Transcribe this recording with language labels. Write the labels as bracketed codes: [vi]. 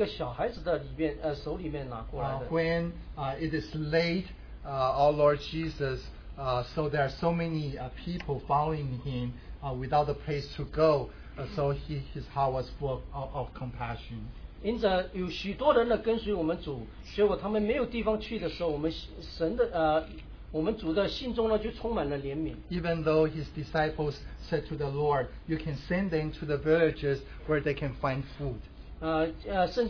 [zh] 实际上呢，在那个约翰福音里面记载呢，这五饼二鱼呢是从一个小孩子的里面手里面拿过来的。 [en] When it is late, our Lord Jesus, so there are so many people following him without a place to go, so his heart was full of compassion. [zh] 因着有许多人呢跟随我们主，结果他们没有地方去的时候，我们主的心中呢就充满了怜悯。 [en] Even though his disciples said to the Lord, you can send them to the villages where they can find food.